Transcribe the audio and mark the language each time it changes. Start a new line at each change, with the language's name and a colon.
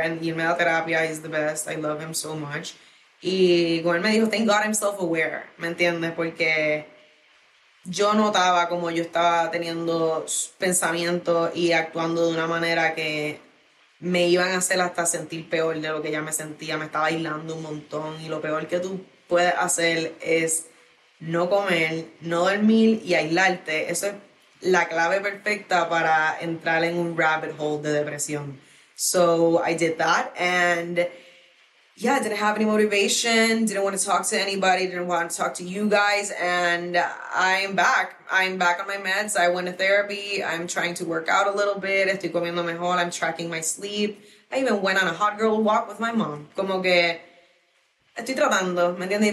English: And
Spanish: irme a la terapia
English: is the best, I love him so much.
Spanish: Y como él me dijo,
English: thank God I'm self-aware,
Spanish: ¿me entiendes? Porque yo notaba como yo estaba teniendo pensamientos y actuando de una manera que me iban a hacer hasta sentir peor de lo que ya me sentía. Me estaba aislando un montón, y lo peor que tú puedes hacer es no comer, no dormir y aislarte. Eso es la clave perfecta para entrar en un rabbit hole de depresión.
English: So I did that, and... yeah, I didn't have any motivation, didn't want to talk to anybody, didn't want to talk to you guys, and I'm back. I'm back on my meds, I went to therapy, I'm trying to work out a little bit,
Spanish: estoy comiendo mejor,
English: I'm tracking my sleep. I even went on a hot girl walk with my mom.
Spanish: Como que estoy tratando, ¿me entiendes?